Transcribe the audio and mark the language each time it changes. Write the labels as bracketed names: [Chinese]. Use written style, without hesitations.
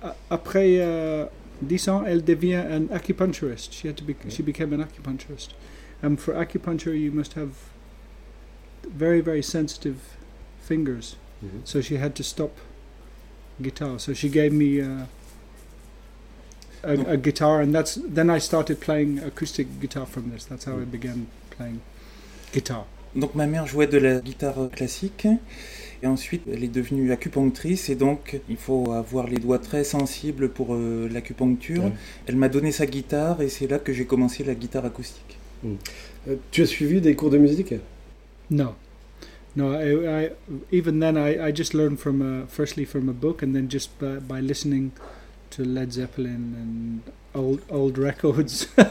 [French] Après 10 ans, elle devient un acupuncturist. [English] She became an acupuncturist. And for acupuncture, you must have very, very sensitive fingers. Mm-hmm. So she had to stop guitar. So she gave me a guitar, and then I started playing acoustic guitar from this. That's how I began playing guitar. [French] Donc ma mère jouait de la guitare classique et ensuite elle est devenue acupunctrice et donc il faut avoir les doigts très sensibles pour l'acupuncture. Ouais. Elle m'a donné sa guitare et c'est là que j'ai commencé la guitare acoustique. Tu as suivi des cours de musique? Non. [English] Non, I just learned from a book and then just by listening to Led Zeppelin and old records.